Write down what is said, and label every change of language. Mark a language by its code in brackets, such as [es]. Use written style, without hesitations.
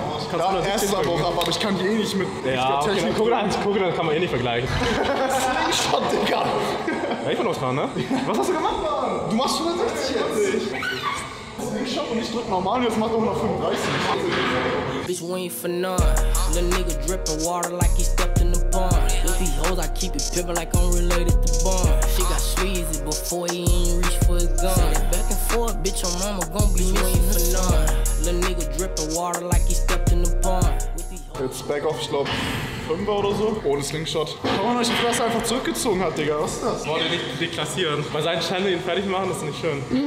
[de] ja, erst mal drauf ab, aber ich kann die eh nicht mit. Ja, okay, guck dann kann man eh nicht vergleichen. Slingshot, Digga. Ja, ich bin noch dran, ne? Was hast du gemacht, Mann? Du machst 160 jetzt. Slingshot und ich drück normal und jetzt mach doch noch 35. [en] Bitch, we ain't for none. Little nigga dripping water like he stepped in the pond. With these hoes, I keep it pippin' like I'm related to Bond. She got sleazy before he ain't reach for his gun. Back and forth, bitch, your mama gon' be missing for none. Little nigga dripping water like he stepped in the pond. [de] Jetzt [en] back off, [de] ich glaub, 5er oder so. Ohne Slingshot. Schau mal, euch die Fresse einfach zurückgezogen hat, Digga. Was ist das? Wollt ihr nicht deklassieren? Bei seinen Channel ihn fertig machen, ist nicht schön.